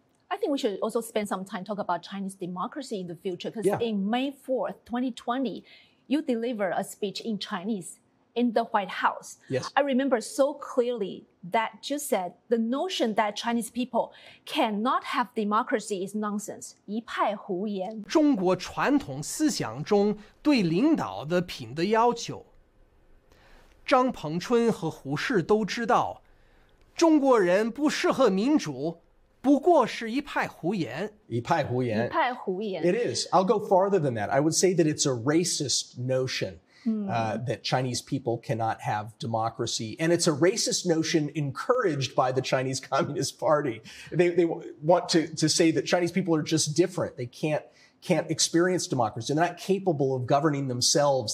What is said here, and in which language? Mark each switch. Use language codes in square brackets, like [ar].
[en] I think we should also spend some time talk about Chinese democracy in the future, because in May 4th, 2020, you deliver a speech in Chinese in the White House. Yes. I remember so clearly that you said the notion that Chinese people cannot have democracy is nonsense. [zh] 一派胡言。中国传统思想中对领导的品德要求。张彭春和胡适都知道，中国人不适合民主，不过是一派胡言。一派胡言。一派胡言。 [en] It is. I'll go farther than that. I would say that it's a racist notion. That Chinese people cannot have democracy. And it's a racist notion encouraged by the Chinese Communist Party. They want to say that Chinese people are just different. They can't experience democracy. They're not capable of governing themselves.